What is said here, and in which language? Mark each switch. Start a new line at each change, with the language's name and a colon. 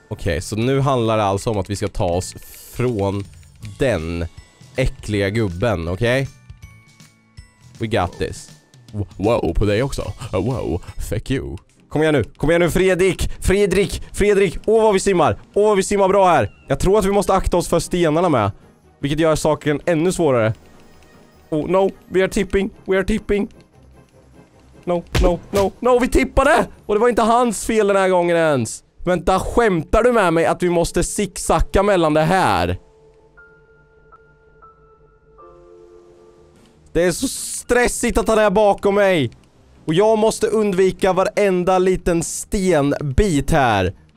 Swedish: Okej, okay, så nu handlar det alltså om att vi ska ta oss från den äckliga gubben, okej?
English: Okay? We got this. Wow,
Swedish: på dig också.
English: Wow, fuck you.
Swedish: Kom igen nu Fredrik! Fredrik, Fredrik! Åh, vad vi simmar! Åh, vad vi simmar bra här! Jag tror att vi måste akta oss för stenarna med. Vilket gör saken ännu svårare.
English: Oh no, we are tipping, we are tipping. No, no, no, no,
Swedish: vi tippade! Och det var inte hans fel den här gången ens. Vänta, skämtar du med mig att vi måste zigzacka mellan det här? Det är så stressigt att han är bakom mig. Och jag måste undvika varenda liten stenbit här.